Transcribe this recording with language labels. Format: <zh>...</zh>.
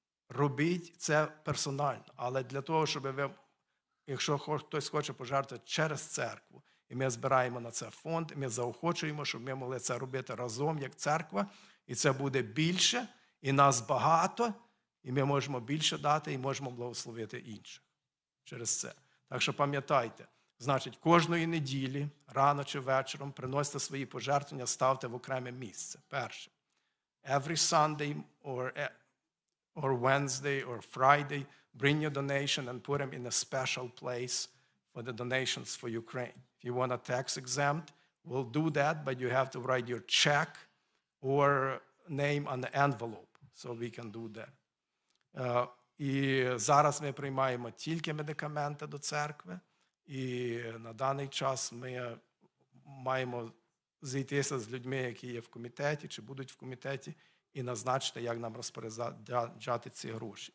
<uk>Робіть це персонально, але для того, щоб якщо хтось хоче пожертвувати через церкву, і ми збираємо на це фонд, ми заохочуємо, щоб ми могли це робити разом, як церква, і це буде більше, і нас багато, І ми можемо більше дати, і можемо благословити інших через це. Так що пам'ятайте, значить, кожної неділі, рано чи вечором, приносьте свої пожертвування, ставте в окреме місце. Перше.</uk> <en>Every Sunday or Wednesday or Friday, bring your donation and put them in a special place for the donations for Ukraine. If you want a tax exempt, we'll do that, but you have to write your check or name on the envelope, so we can do that.</en> <uk>І зараз ми приймаємо тільки медикаменти до церкви, і на даний час ми маємо зійтися з людьми, які є в комітеті, чи будуть в комітеті, і назначити, як нам розпоряджати ці гроші.</uk>